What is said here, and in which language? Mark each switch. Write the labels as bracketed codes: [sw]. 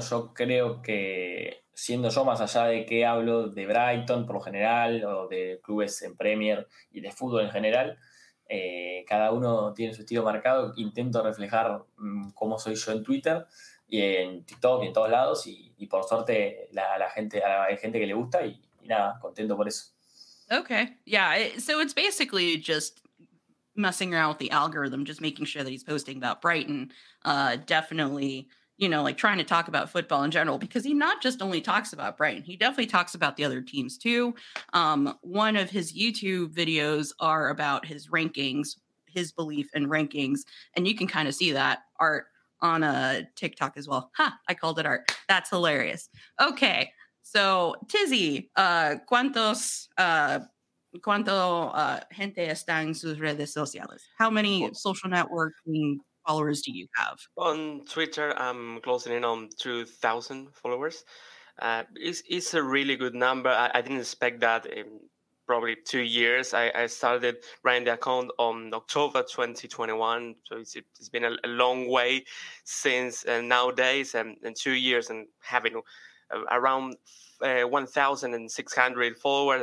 [es] Yo creo que, siendo yo, más allá de que hablo de Brighton por general o de clubes en Premier y de fútbol en general, cada uno tiene su estilo marcado. Intento reflejar cómo soy yo en Twitter y en TikTok y en todos lados. Y por suerte hay gente que le gusta y nada, contento por eso. [en] Okay, yeah, so it's basically just messing around with the algorithm, just making sure that he's posting about Brighton. Definitely, you know, like trying to talk about football in general, because he not just only talks about Brighton, he definitely talks about the other teams too. One of his YouTube videos are about his rankings, his belief in rankings, and you can kind of see that art on a TikTok as well. Ha, I called it art. That's hilarious. Okay, so [es] Tizzy, ¿Cuánto gente está en sus redes sociales? [en] How many social networking followers do you have? On Twitter, I'm closing in on 2,000 followers. It's a really good number. I didn't expect that in probably 2 years. I started running the account on October 2021, so it's been a long way since nowadays, and 2 years and having around 1,600 followers.